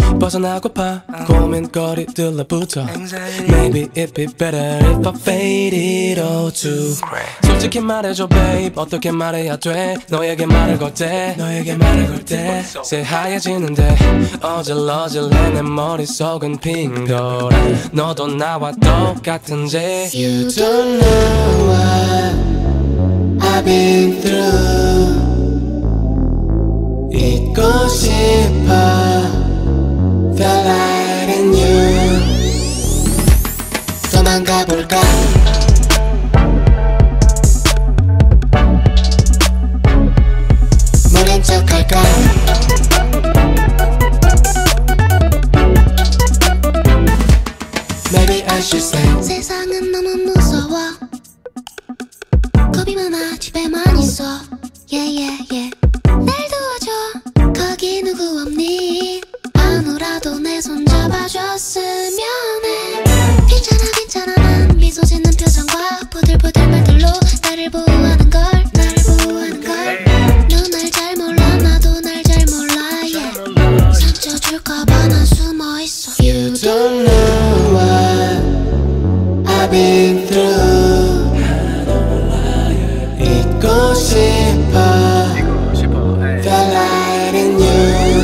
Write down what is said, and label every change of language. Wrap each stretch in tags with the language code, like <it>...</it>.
<ko>벗어나고파 고민거리 들러붙어</ko> <en>Maybe it'd be better if I faded all too</en> <ko>솔직히 말해줘 babe 어떻게 말해야 돼 너에게 말을 걸때 너에게 말을 걸때 새하얘지는데 어질러질해 내 머릿속은 핑 돌아 너도 나와 똑같은지</ko> <en>You don't know what I've been through</en> <ko>잊고 싶어</ko> <en>The light in you</en> <ko>도망가볼까 모른 척할까</ko> <en>Maybe I should say</en> <ko>세상은 너무 무서워 겁이 많아 집에만 있어 yeah yeah yeah 날 도와줘 거기 누구 없니 아무라도 내 손 잡아줬으면 해 괜찮아 괜찮아 난 미소 짓는 표정과 부들부들 말들로 나를 보호하는 걸 나를 보호하는 걸 너 날 잘 몰라 나도 날 잘 몰라 yeah 상처 줄까봐 난 숨어 있어</ko> <en>You don't know what I've been through</en> <ko>잊고 싶어</ko> <en>The light in you</en>